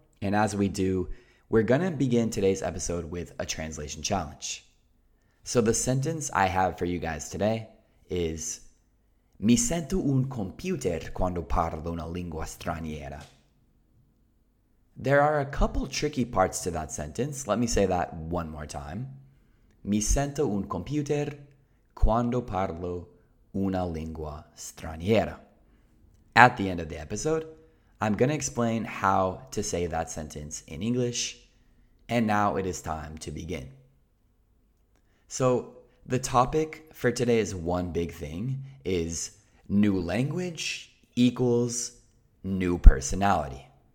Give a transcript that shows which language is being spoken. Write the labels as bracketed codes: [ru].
[en] And as we do, we're going to begin today's episode with a translation challenge. So the sentence I have for you guys today is, [it] Mi sento un computer quando parlo una lingua straniera. [en] There are a couple tricky parts to that sentence. Let me say that one more time. [it] Mi sento un computer quando parlo una lingua straniera. [en] At the end of the episode, I'm going to explain how to say that sentence in English. And now it is time to begin. So the topic for today is one big thing is new language equals new personality.